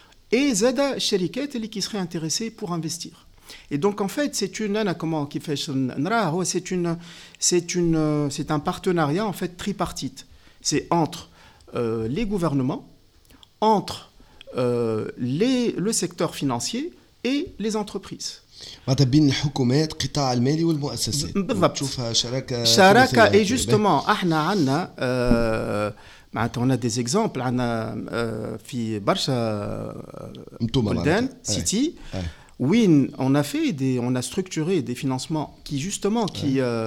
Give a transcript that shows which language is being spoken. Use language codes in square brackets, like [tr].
[fr] Et Zada Sheriket, qui serait intéressée pour investir. Et donc en fait c'est une c'est un partenariat en fait tripartite. C'est entre les gouvernements, entre le secteur financier et les entreprises. [ar] بين الحكومات قطاع المالي والمؤسسات. بالضبط. تشوفها شراكة. شراكة [fr] et justement [ar] احنا عندنا معناتها عندنا [fr] des exemples [ar] عندنا في برشا بلدان سيتي. [fr] Oui, on a fait on a structuré des financements qui justement qui